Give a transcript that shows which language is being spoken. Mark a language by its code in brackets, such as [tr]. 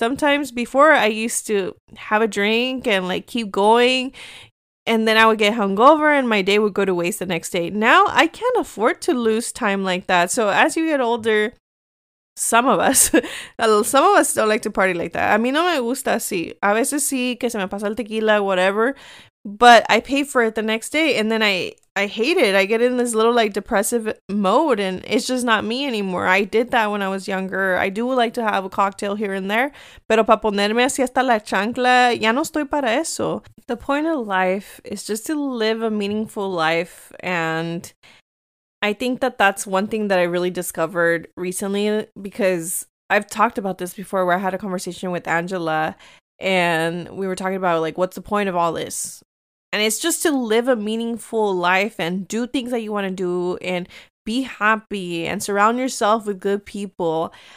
[en] Sometimes before, I used to have a drink and, like, keep going. And then I would get hungover and my day would go to waste the next day. Now, I can't afford to lose time like that. So as you get older, some of us don't like to party like that. [es] A mí no me gusta así. A veces sí, que se me pasa el tequila, whatever. [en] But I pay for it the next day. And then I hate it. I get in this little, like, depressive mode. And it's just not me anymore. I did that when I was younger. I do like to have a cocktail here and there. [es] Pero para ponerme así hasta la chancla, ya no estoy para eso. [en] The point of life is just to live a meaningful life. And I think that that's one thing that I really discovered recently. Because I've talked about this before, where I had a conversation with Angela. And we were talking about, like, what's the point of all this? And it's just to live a meaningful life and do things that you want to do and be happy and surround yourself with good people.